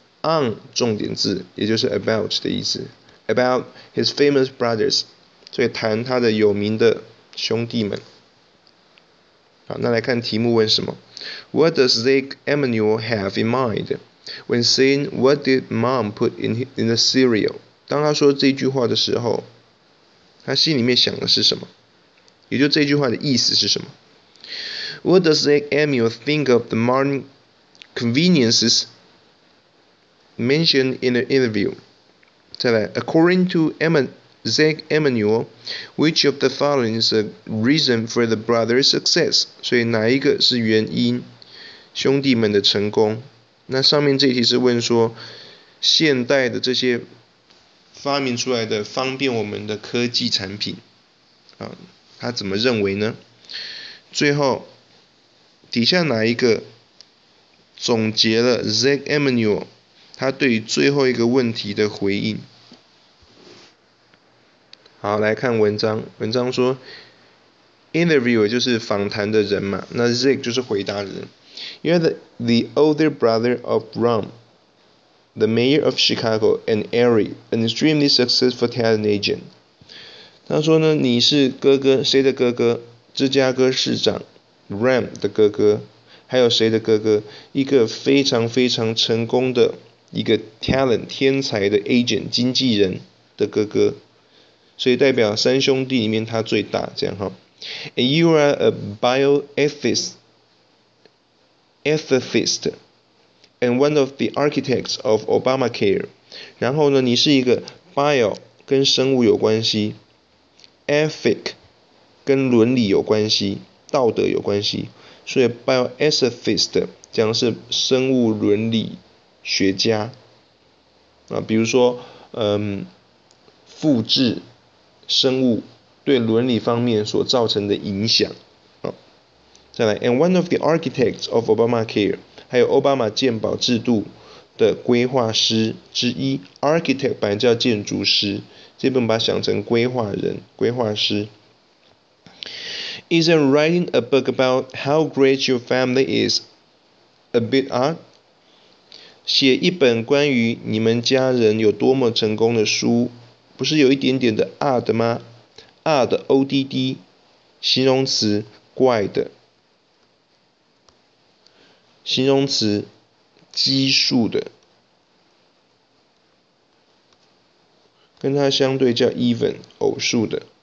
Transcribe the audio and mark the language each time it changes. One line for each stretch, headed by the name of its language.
Chinese: On 重点字，也就是 about 的意思。
English: About his famous brothers，
Chinese: 所以谈他的有名的兄弟们。好，那来看题目问什么？
English: What does Zeke Emanuel have in mind when saying "What did Mom put in the cereal"？
Chinese: 当他说这句话的时候，他心里面想的是什么？也就这句话的意思是什么？
English: What does Zeke Emanuel think of the modern conveniences mentioned in the interview？再来，According to Zeke Emanuel, which of the following is the reason for the brother's success?
Chinese: 所以哪一个是原因兄弟们的成功？那上面这一题是问说，现代的这些发明出来的方便我们的科技产品，他怎么认为呢？最后底下哪一个总结了 Zeke Emanuel 他对于最后一个问题的回应？好，来看文章。文章说 ，interviewer 就是访谈的人嘛，那 Zeke 就是回答人。
English: You are the older brother of Rom, the mayor of Chicago, and Ari, an extremely successful talent agent。
Chinese: 他说呢，你是哥哥，谁的哥哥？芝加哥市长 Ram 的哥哥，还有谁的哥哥？一个非常非常成功的一个 talent 天才的 agent 经纪人的哥哥。所以代表三兄弟里面他最大，这样哈。
English: And you are a bioethicist, and one of the architects of Obamacare。
Chinese: 然后呢，你是一个 bio 跟生物有关系，ethic 跟伦理有关系，道德有关系。所以 bioethicist 讲的是生物伦理学家啊，比如说复制。生物对伦理方面所造成的影响，再来，
English: and one of the architects of Obamacare，
Chinese: 还有奥巴马健保制度的规划师之一，architect 本来叫建筑师，这边把它想成规划人、规划师。
English: Is writing a book about how great your family is a bit odd？
Chinese: 写一本关于你们家人有多么成功的书。不是有一点点的 odd 吗？odd O-D-D 形容词，怪的，形容词，奇数的，跟它相对叫 even 偶数的。